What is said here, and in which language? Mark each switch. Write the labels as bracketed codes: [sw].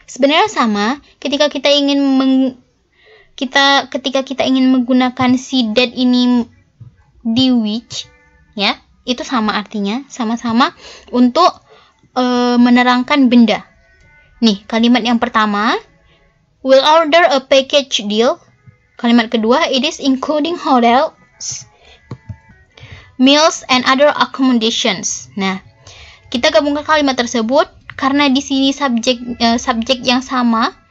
[id] Sebenarnya sama, ketika kita ingin menggunakan si that ini di which, ya, itu sama artinya, sama-sama untuk menerangkan benda. Nih, kalimat yang pertama, [en] we'll order a package deal. [id] Kalimat kedua, [en] it is including hotels, meals, and other accommodations. [id] Nah, kita gabungkan kalimat tersebut karena di sini subjek yang sama.